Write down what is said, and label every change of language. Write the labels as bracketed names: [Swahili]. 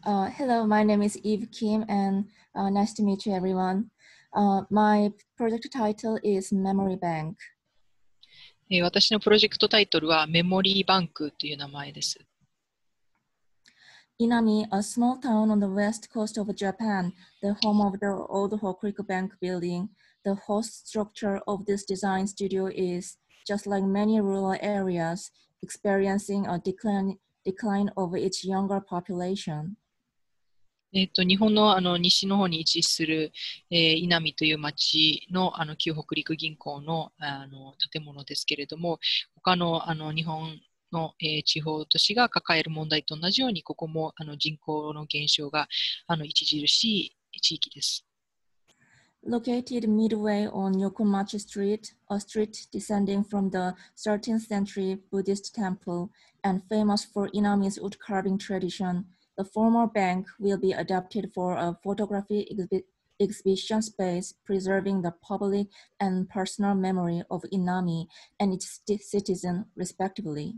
[English] Hello, my name is Eve Kim, and nice to meet you, everyone. My project title is Memory Bank. [Japanese] 私のプロジェクトタイトルはメモリーバンクという名前です。 [English] Inami, a small town on the west coast of Japan, the home of the old Hokuriku Bank building. The host structure of this design studio is, just like many rural areas, experiencing a decline of its younger population. [Japanese] 日本の、あの、西の方に位置する、Inami という町の、あの、旧北陸銀行の、あの、建物ですけれども、他の、あの、日本の、地方都市が抱える問題と同じように、ここも、あの、人口の減少が、あの、著しい地域です。 [English] Located midway on Yokomachi Street, a street descending from the 13th century Buddhist temple and famous for Inami's wood carving tradition, the former bank will be adapted for a photography exhibition space preserving the public and personal memory of Inami and its citizen, respectively.